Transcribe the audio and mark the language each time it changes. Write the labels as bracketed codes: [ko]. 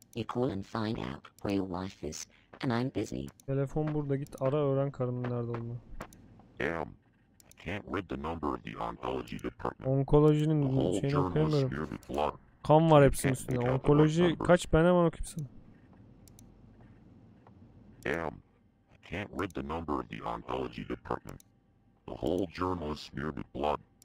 [en] You call and find out where your wife is, and I'm busy. [tr] Telefon burada, git ara, öğren karının nerede olduğunu. [en] Damn. Can't read the number of the oncology department. [tr] Onkolojinin şeyini okuyamıyorum. Kan var hepsinin üstünde. Onkoloji kaç, ben hemen okuyayım sana. [en] Damn. Can't read the number of the oncology department. The whole journal is smeared with blood.